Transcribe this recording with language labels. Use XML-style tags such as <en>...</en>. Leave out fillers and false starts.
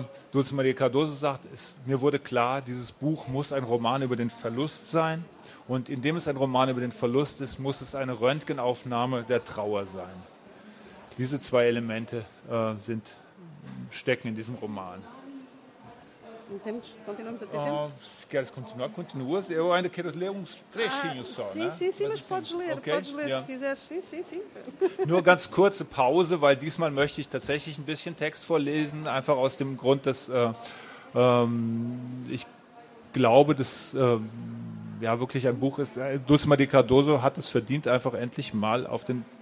<de>Dulce Maria Cardoso sagt, mir wurde klar, dieses Buch muss ein Roman über den Verlust sein. Und indem es ein Roman über den Verlust ist, muss es eine Röntgenaufnahme der Trauer sein. Diese zwei Elemente stecken in diesem Roman.</de> <pt>Temos, se queres continuar, continuas. Eu ainda quero ler trechinho só. Sim, né? sim, mas podes ler, okay? Podes ler, yeah. Se quiseres. Sim.</pt> <de>Nur ganz kurze Pause, weil diesmal möchte ich tatsächlich ein bisschen Text vorlesen, einfach aus dem Grund, dass ich glaube, dass wirklich ein Buch ist. Dulce Maria Cardoso hat es verdient, einfach endlich mal auf den</de>